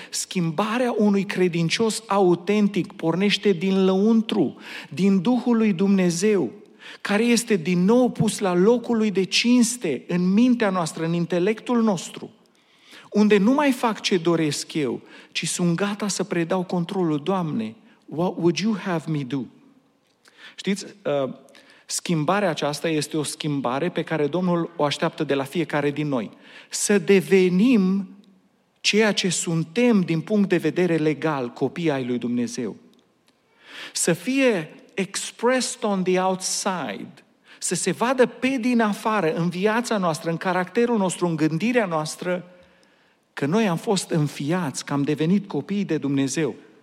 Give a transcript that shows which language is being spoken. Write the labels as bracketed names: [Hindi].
[Romanian] Schimbarea unui credincios autentic pornește din lăuntru, din Duhul lui Dumnezeu, care este din nou pus la locul lui de cinste în mintea noastră, în intelectul nostru, unde nu mai fac ce doresc eu, ci sunt gata să predau controlul. Doamne, [English] what would you have me do? [Romanian] Știți, schimbarea aceasta este o schimbare pe care Domnul o așteaptă de la fiecare din noi. Să devenim ceea ce suntem din punct de vedere legal, copii ai lui Dumnezeu. Să fie [English] expressed on the outside, [Romanian] să se vadă pe din afară, în viața noastră, în caracterul nostru, în gândirea noastră, că noi am fost înfiați, că am devenit copii de Dumnezeu.